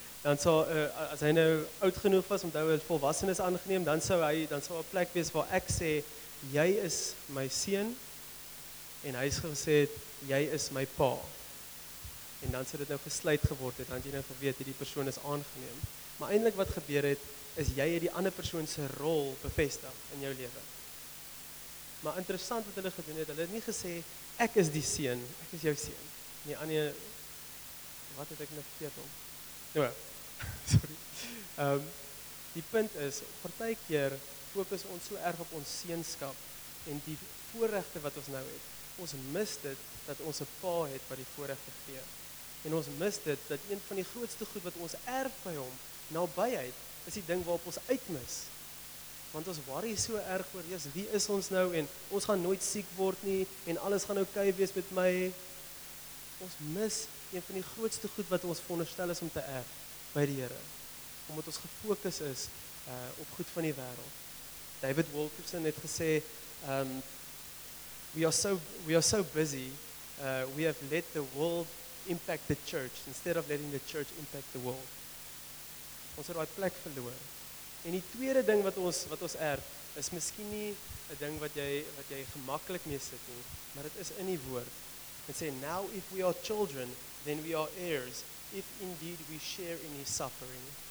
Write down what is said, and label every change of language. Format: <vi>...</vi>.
<af>Dan sou, as hy nou oud genoeg was, omdat hy volwassenes aangeneem, dan sou 'n plek wees waar ek sê, jy is my seun, en hy is gesê, jy is my pa. En dan sê dit nou gesluit geword het, dan jy nou geweet, die persoon is aangeneem. Maar eindelijk wat gebeur het, is jy het die ander persoon sy rol bevestig in jou leven. Maar interessant wat hulle gedoen het, hulle het nie gesê, ek is die seun, ek is jou seun. Nee, Annie, wat het ek nou verkeerd om? Nou, sorry. Die punt is, partykeer fokus ons so erg op ons seunskap en die voorregte wat ons nou het. Ons mis dit, dat ons 'n pa het wat die voorregte gee. En ons mis dit, dat een van die grootste goed wat ons erf by hom, nabyheid, is die ding waarop ons uitmis. Want ons worry so erg oor, Jesus, wie is ons nou, en ons gaan nooit siek word nie, en alles gaan okay wees met my. Ons mis een van die grootste goed wat ons veronderstel is om te erf, by die Here. Omdat ons gefokus is op goed van die wêreld. David Wilkerson het gesê,</af> <en>We are so busy. We have let the world impact the church instead of letting the church impact the world.</en> <af>Ons het daai plek verloor. En die tweede ding wat ons erf is miskien nie 'n ding wat jy gemaklik mee sit nie, maar dit is in die woord. Dit sê</af> <en>now if we are children, then we are heirs if indeed we share in his suffering.</en>